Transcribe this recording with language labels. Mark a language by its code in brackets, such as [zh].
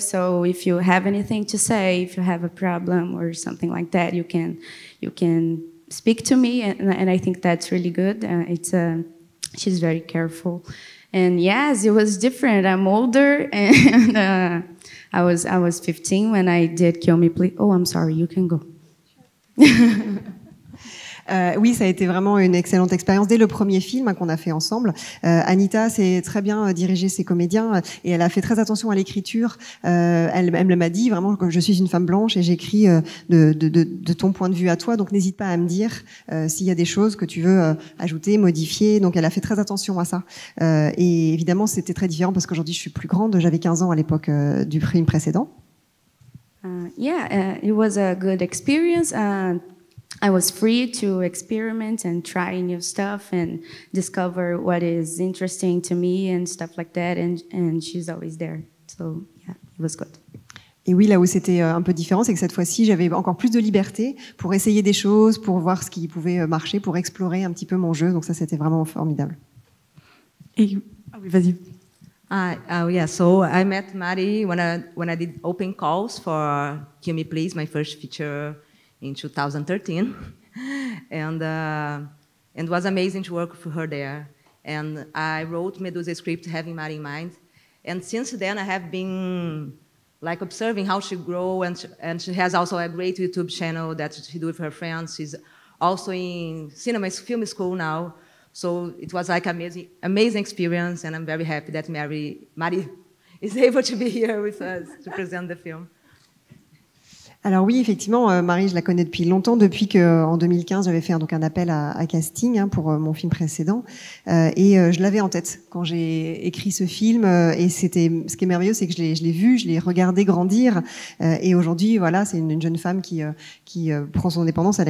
[en] So if you have anything to say, if you have a problem or something like that, you can speak to me. And I think that's really good. She's very careful. And yes, it was different. I'm older, and I was 15 when I did Kill Me, Please. Oh, I'm sorry, you can go. [fr] Oui, ça a été vraiment une excellente expérience dès le premier film qu'on a fait ensemble. Anita s'est très bien dirigée ses comédiens et elle a fait très attention à l'écriture. Elle m'a dit vraiment que je suis une femme blanche et j'écris de ton point de vue à toi, donc n'hésite pas à me dire s'il y a des choses que tu veux ajouter, modifier. Donc elle a fait très attention à ça. Et évidemment, c'était très différent parce qu'aujourd'hui, je suis plus grande. J'avais 15 ans à l'époque du film précédent. [en] It was a good experience. I was free to experiment and try new stuff and discover what is interesting to me and stuff like that, and she's always there. So yeah, it was good. [fr] Et oui, là où c'était un peu différent, c'est que cette fois-ci, j'avais encore plus de liberté pour essayer des choses, pour voir ce qui pouvait marcher, pour explorer un petit peu mon jeu. Donc ça, c'était vraiment formidable. Oui, vas-y. [en] So I met Mari when I did open calls for Kill Me Please, my first feature in 2013, and it was amazing to work with her there. And I wrote Medusa's script having Mari in mind. And since then I have been like observing how she grow, and she has also a great YouTube channel that she do with her friends. She's also in cinema film school now. So it was like amazing experience, and I'm very happy that Mari is able to be here with us to present the film. [fr] Alors oui, effectivement, Marie, je la connais depuis longtemps, depuis que en 2015 j'avais fait donc un appel à casting pour mon film précédent, et je l'avais en tête quand j'ai écrit ce film. Et c'était ce qui est merveilleux, c'est que je l'ai vu, je l'ai regardé grandir, et aujourd'hui, voilà, c'est une jeune femme qui prend son indépendance.